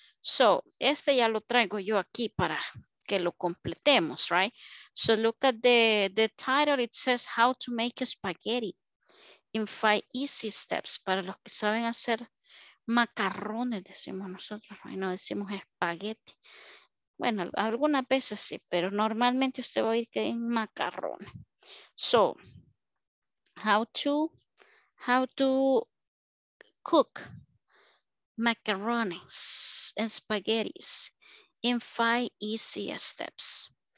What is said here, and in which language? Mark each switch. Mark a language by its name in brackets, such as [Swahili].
[Spanish] So este ya lo traigo yo aquí para que lo completemos, right? [English] So look at the title, it says how to make a spaghetti in 5 easy steps. [Spanish] Para los que saben hacer macarrones, decimos nosotros, right? No decimos espagueti. Bueno, algunas veces sí, pero normalmente usted va a ir que en macarrón. [English] So, how to cook macaronis and spaghettis in 5 easy steps.